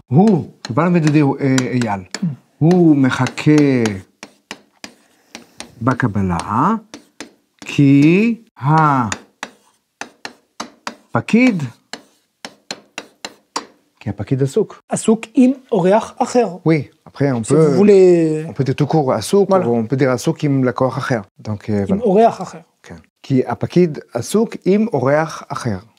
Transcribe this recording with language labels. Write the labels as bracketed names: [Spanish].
[Hebrew] הוא, כבר למד את זה, הוא אייל. הוא מחכה בקבלה, כי הפקיד, כי הפקיד עסוק. עסוק עם אורח אחר. [French] Oui, après on peut... Si vous voulez... On peut dire tout court עסוק, voilà. Ou on peut dire [Hebrew] עסוק עם לקוח אחר. [French] Donc, [Hebrew] עם voilà. אורח אחר. כן. כי הפקיד עסוק עם אורח אחר.